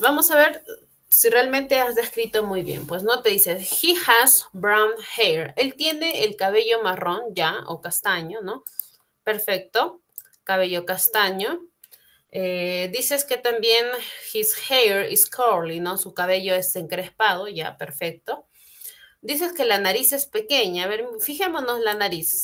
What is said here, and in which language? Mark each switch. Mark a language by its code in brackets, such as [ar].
[es] Vamos a ver si realmente has descrito muy bien. Pues no, te dice, [en] he has brown hair. [es] Él tiene el cabello marrón, ya, o castaño, ¿no? Perfecto, cabello castaño. Dices que también [en] his hair is curly, [es] ¿no? Su cabello es encrespado, ya, perfecto. Dices que la nariz es pequeña. A ver, fijémonos la nariz.